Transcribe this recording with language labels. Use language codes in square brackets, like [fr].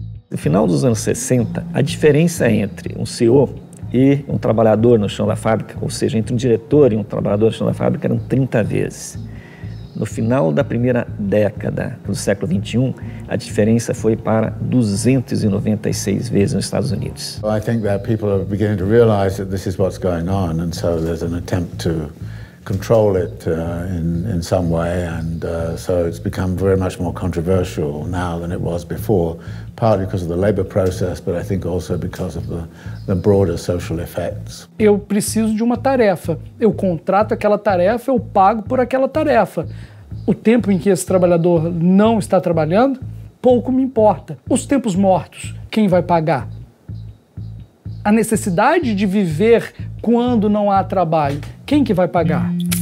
[pt] No final dos anos 60, a diferença entre um CEO e um trabalhador no chão da fábrica, ou seja, entre um diretor e um trabalhador no chão da fábrica, eram 30 vezes. No final da primeira década do século XXI, a diferença foi para 296 vezes nos Estados Unidos. [en] I think that people are beginning to realize that this is what's going on, and so there's an attempt to control it in some way, and so it's become very much more controversial now than it was before, partly because of the labor process, but I think also because of the broader social effects. [pt] Eu preciso de uma tarefa. Eu contrato aquela tarefa, eu pago por aquela tarefa. O tempo em que esse trabalhador não está trabalhando, pouco me importa. Os tempos mortos, quem vai pagar? A necessidade de viver quando não há trabalho, quem que vai pagar?